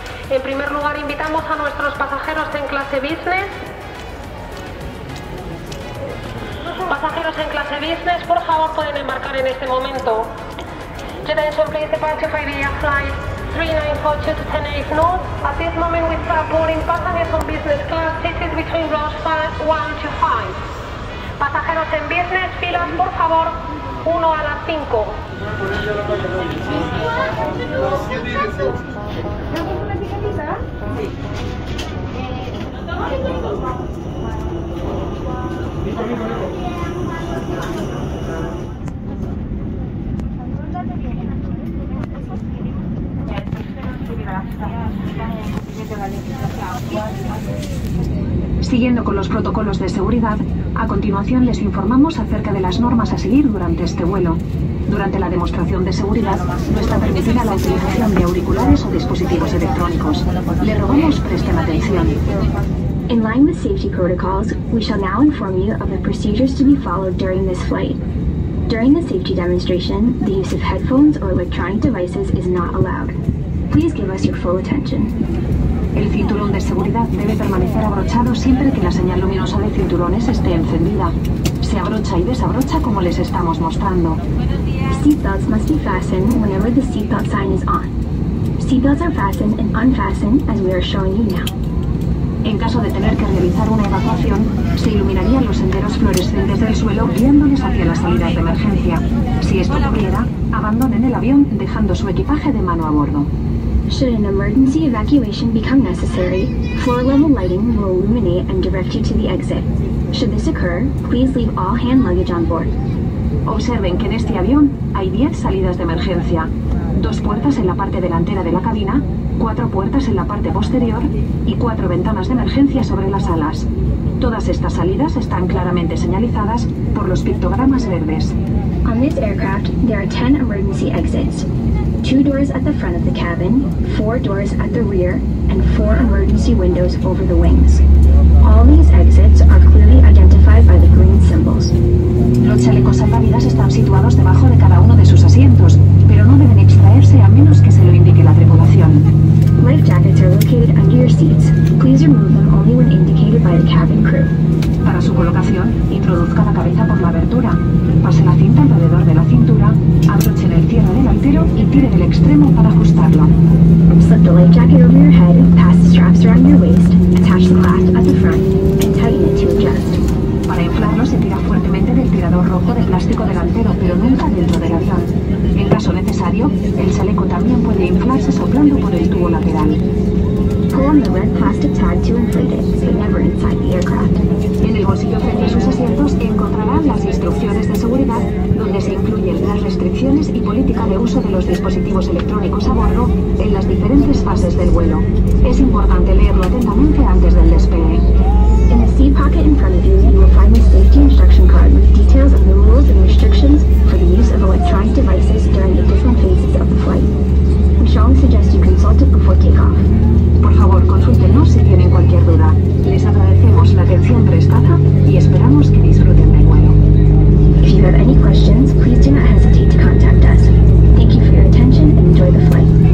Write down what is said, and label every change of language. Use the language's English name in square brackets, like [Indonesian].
[Spanish] En primer lugar, invitamos a nuestros pasajeros en clase business. Pasajeros en clase business, por favor, pueden embarcar en este momento. [English] Jedi Sol, please departure for Iberia Flight 3942 to Tenerife North. At this moment, we start boarding passengers on business class. This is between rows 1 to 5. [Spanish] Pasajeros en business, filas, por favor, 1 a las 5. Siguiendo con los protocolos de seguridad, a continuación les informamos acerca de las normas a seguir durante este vuelo. Durante la demostración de seguridad, no está permitida la utilización de auriculares o dispositivos electrónicos. Le rogamos presten atención. [English] In line with safety protocols, we shall now inform you of the procedures to be followed during this flight. During the safety demonstration, the use of headphones or electronic devices is not allowed. Please give us your full attention. [Spanish] El cinturón de seguridad debe permanecer abrochado siempre que la señal luminosa de cinturones esté encendida. Se abrocha y desabrocha como les estamos mostrando. [English] Seatbelts must be fastened whenever the seatbelt sign is on. Seatbelts are fastened and unfastened as we are showing you now. [Spanish] En caso de tener que realizar una evacuación, se iluminarían los senderos fluorescentes del suelo guiándoles hacia la salida de emergencia. Si esto ocurriera, abandonen el avión dejando su equipaje de mano a bordo. [English] Should an emergency evacuation become necessary, floor-level lighting will illuminate and direct you to the exit. Should this occur, please leave all hand luggage on board. [Spanish] Observen que en este avión hay 10 salidas de emergencia. 2 puertas en la parte delantera de la cabina, 4 puertas en la parte posterior y 4 ventanas de emergencia sobre las alas. Todas estas salidas están claramente señalizadas por los pictogramas verdes. [English] On this aircraft, there are 10 emergency exits. 2 doors at the front of the cabin, 4 doors at the rear, and 4 emergency windows over the wings. All these exits are clearly identified by the green symbols. [Spanish] Los chalecos salvavidas están situados debajo de cada uno de sus asientos, pero no deben extraerse a menos que se lo indique la tripulación. [English] Life jackets are located under your seats. Please remove them only when indicated by the cabin crew. [Spanish] Para su colocación, introduzca la cabeza por la abertura. Pase la cinta alrededor de la cintura, abroche el cierre delantero y tire del extremo para ajustarlo. [English] Slip the life jacket over your head, pass the straps around your waist, attach the clasp at the front, and tighten it to adjust. [Spanish] Para inflarlo, se tira fuertemente del tirador rojo de plástico delantero, pero nunca dentro del avión. En caso necesario, el chaleco también puede inflarse soplando por el tubo lateral. [English] Pull on the red plastic tag to inflate it, but never inside the aircraft. [Spanish] En el bolsillo frente a sus asientos encontrarán las instrucciones de seguridad, donde se incluyen las restricciones y política de uso de los dispositivos electrónicos a bordo en las diferentes fases del vuelo. Es importante leerlo atentamente antes del despegue. [English] In the seat pocket in front of you, you will find the safety instruction card with details of the rules and restrictions for the use of electronic devices during the different phases of the flight. We strongly suggest you consult it before takeoff. [Spanish] Por favor, consúltenos si tienen cualquier duda. Les agradecemos la atención prestada y esperamos que disfruten del vuelo. [English] If you have any questions, please do not hesitate to contact us. Thank you for your attention and enjoy the flight.